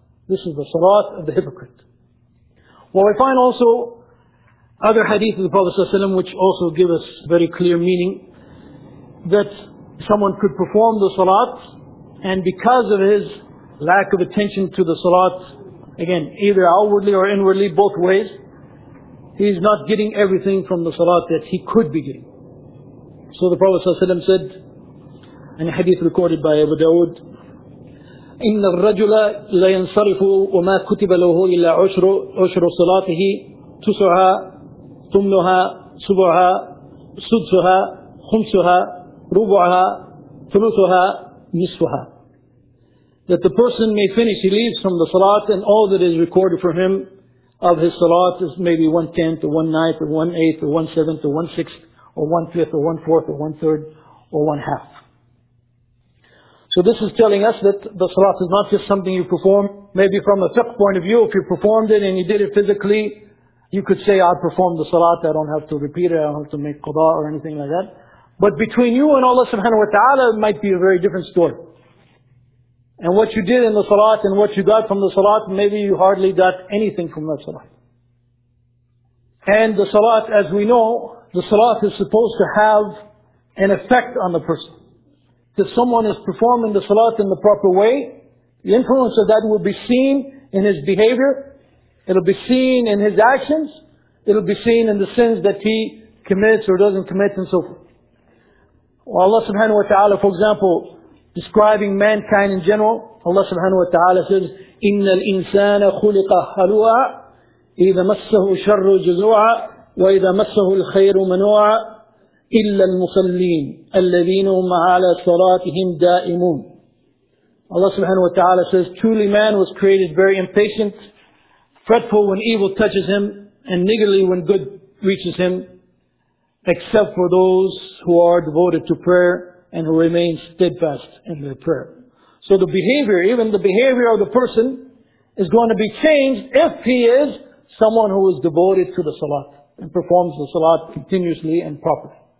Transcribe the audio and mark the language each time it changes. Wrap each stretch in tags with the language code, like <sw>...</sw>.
<en>This is the salat of the hypocrite. Well, we find also other hadith of the Prophet ﷺ which also give us very clear meaning that someone could perform the salat and because of his lack of attention to the salat, again, either outwardly or inwardly, both ways, he's not getting everything from the salat that he could be getting. So the Prophet ﷺ said, in a hadith recorded by Abu Dawood,</en> <ar>إِنَّ الرَّجُلَ لَيَنْصَرِفُ وَمَا كُتِبَ لَهُ إِلَّا عُشْرُ صَلَاتِهِ تُسُعَى ثُمْنُهَا سُبُعَى سُدْسُهَا خُمْسُهَا رُبُعَهَا ثُلُثُهَا نِصْفُهَا.</ar> <en>That the person may finish, he leaves from the salat, and all that is recorded for him of his salat is maybe 1/10 or 1/9 or 1/8 or 1/7 or 1/6 or 1/5 or 1/4 or 1/3 or 1/2. So this is telling us that the salat is not just something you perform. Maybe from a fiqh point of view, if you performed it and you did it physically, you could say, I performed the salat, I don't have to repeat it, I don't have to make qada or anything like that. But between you and Allah subhanahu wa ta'ala, it might be a very different story. And what you did in the salat and what you got from the salat, maybe you hardly got anything from that salat. And the salat, as we know, the salat is supposed to have an effect on the person. If someone is performing the salat in the proper way, the influence of that will be seen in his behavior, it'll be seen in his actions, it'll be seen in the sins that he commits or doesn't commit and so forth. Well, Allah subhanahu wa ta'ala, for example, describing mankind in general, Allah subhanahu wa ta'ala says,</en> <ar>إِنَّ الْإِنسَانَ خُلِقَ هَلُوَعَ إِذَا مَسَّهُ شَرُّ جُزُوعَ وَإِذَا مَسَّهُ الْخَيْرُ مَنُوعَ إِلَّا الْمُصَلِّينَ الَّذِينَ هُمْ عَلَى صَلَاتِهِمْ دَائِمُونَ.</ar> <en>Allah subhanahu wa ta'ala says, truly man was created very impatient, fretful when evil touches him, and niggardly when good reaches him, except for those who are devoted to prayer and who remain steadfast in their prayer. So the behavior, even the behavior of the person, is going to be changed if he is someone who is devoted to the salat and performs the salat continuously and properly.</en>